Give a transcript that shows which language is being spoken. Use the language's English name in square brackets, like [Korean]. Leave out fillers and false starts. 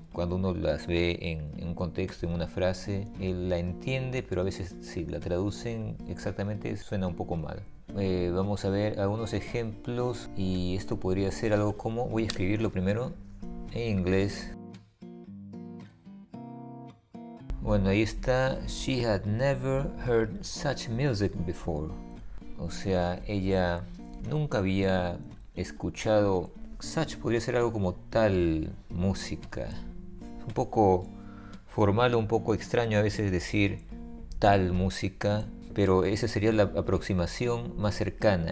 [Spanish] Cuando uno las ve en un contexto, en una frase, él la entiende, pero a veces si la traducen exactamente suena un poco mal. Vamos a ver algunos ejemplos y esto podría ser algo como, voy a escribirlo primero en inglés. Bueno, ahí está, [English] she had never heard such music before. [Spanish] O sea, ella nunca había escuchado, such podría ser algo como tal música. Un poco formal o un poco extraño a veces decir tal música, pero esa sería la aproximación más cercana.